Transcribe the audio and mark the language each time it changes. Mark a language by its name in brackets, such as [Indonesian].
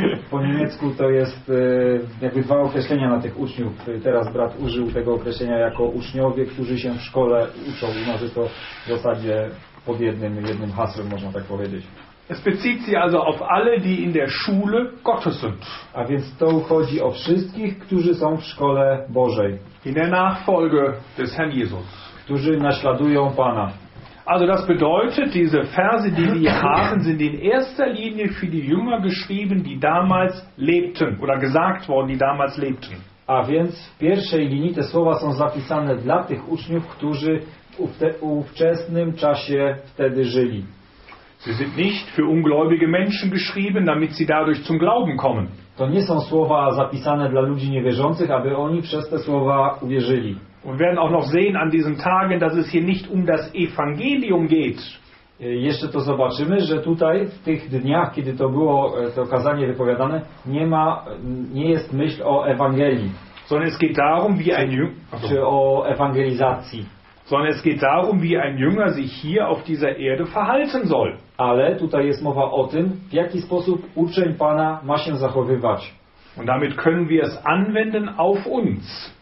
[Polish] Po niemiecku to jest jakby dwa określenia na tych uczniów. Teraz brat użył tego określenia jako uczniowie, którzy się w szkole uczą. Może to w zasadzie pod jednym hasłem, można tak powiedzieć. [German] Es bezieht sich also auf alle, die in der Schule Gottes sind. [Polish] A więc to chodzi o wszystkich, którzy są w szkole Bożej. [German] In der Nachfolge des Herrn Jesus. [Polish] Którzy naśladują Pana. [German] Also das bedeutet, diese Verse, die wir haben, sind in erster Linie für die Jünger geschrieben, die damals lebten, oder gesagt worden, die damals lebten. [Polish] A więc w pierwszej linii te słowa są zapisane dla tych uczniów, którzy w ówczesnym czasie wtedy żyli. [German] Sie sind nicht für ungläubige Menschen geschrieben, damit sie dadurch zum Glauben kommen. [Polish] To nie są słowa zapisane dla ludzi niewierzących, aby oni przez te słowa uwierzyli. [German] Und werden auch noch sehen an diesen Tagen, dass es hier nicht um das Evangelium geht. [Polish] Jeszcze to zobaczymy, że tutaj w tych dniach, kiedy to było to kazanie wypowiadane, nie jest myśl o Ewangelii. [German] Sondern es geht darum, wie ein Jünger, [Polish] czy o ewangelizacji. [German] sondern es geht darum, wie ein Jünger sich hier auf dieser Erde verhalten soll. [Polish] Ale tutaj jest mowa o tym, w jaki sposób uczeń Pana ma się zachowywać. [German] Und damit können wir es anwenden auf uns.